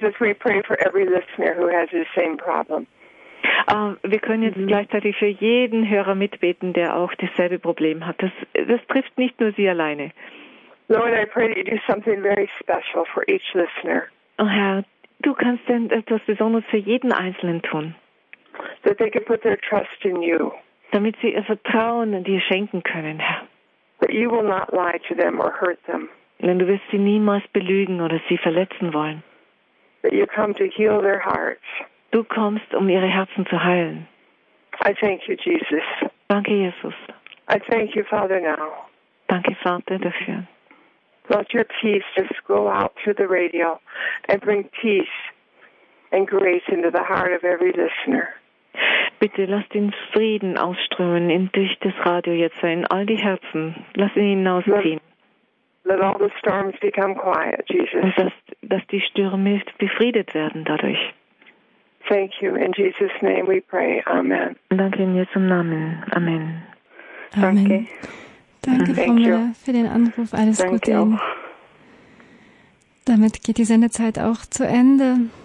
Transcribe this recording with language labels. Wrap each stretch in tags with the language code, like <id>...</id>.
<en>So Jesus, we pray for every listener who has the same problem.</en> <de>Wir können jetzt gleichzeitig für jeden Hörer mitbeten, der auch dasselbe Problem hat. Das trifft nicht nur Sie alleine.</de> <en>Lord, I pray that you do something very special for each listener.</en> <de>Oh Herr, Du kannst denn etwas Besonderes für jeden Einzelnen tun.</de> <en>That they can put their trust in you.</en> <de>Damit sie ihr Vertrauen in dir schenken können, Herr.</de> <en>That you will not lie to them or hurt them.</en> <de>Denn du wirst sie niemals belügen oder sie verletzen wollen.</de> <en>That you come to heal their hearts.</en> <de>Du kommst, um ihre Herzen zu heilen.</de> <en>I thank you, Jesus.</en> <de>Danke, Jesus.</de> <en>I thank you, Father, now.</en> <de>Danke, Vater, dafür.</de> <en>Let your peace just go out through the radio and bring peace and grace into the heart of every listener.</en> <de>Bitte lass den Frieden ausströmen in durch das Radio jetzt in all die Herzen. Lass ihn hinausziehen.</de> <en>Let all the storms become quiet, Jesus.</en> <de>Und dass die Stürme befriedet werden dadurch.</de> <en>Thank you. In Jesus' name we pray. Amen.</en> <de>Danke in Jesu Namen. Amen. Amen. Danke, Frau Müller, für den Anruf. Alles Gute Ihnen. Damit geht die Sendezeit auch zu Ende.</de>